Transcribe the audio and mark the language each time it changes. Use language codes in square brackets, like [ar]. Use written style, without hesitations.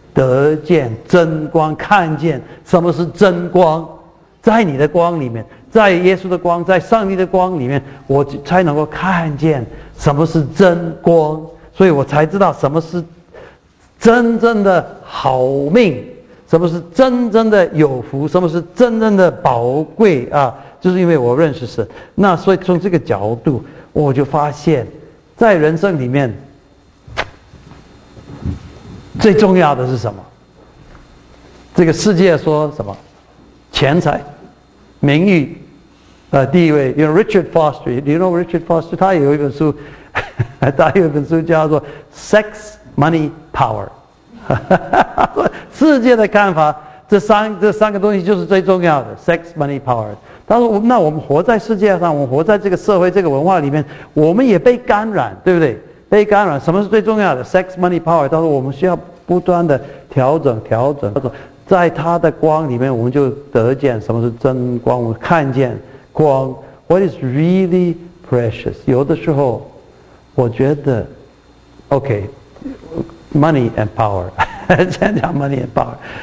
[zh] 得见真光，看见什么是真光，在你的光里面，在耶稣的光，在上帝的光里面，我才能够看见什么是真光，所以我才知道什么是真正的好命，什么是真正的有福，什么是真正的宝贵啊！就是因为我认识神，那所以从这个角度，我就发现，在人生里面。最重要的是什么？这个世界说什么？钱财、名誉、地位。 [en] You know Richard Foster? Do you know Richard Foster? [zh] 他有一本书，他有一本书叫做《Sex, Money, Power》。世界的看法，这三个东西就是最重要的 ：Sex, Money, Power。他说：“那我们活在世界上，我们活在这个社会、这个文化里面，我们也被感染，对不对？” 被感染，什么是最重要的 ？ [en] Sex, money, power。 [zh] 到时候我们需要不断的调整，在他的光里面，我们就得见什么是真光。我们看见光 ， [en] What is really precious？ [zh] 有的时候，我觉得 ，OK， [en] money and power， [zh] 先讲 money and power。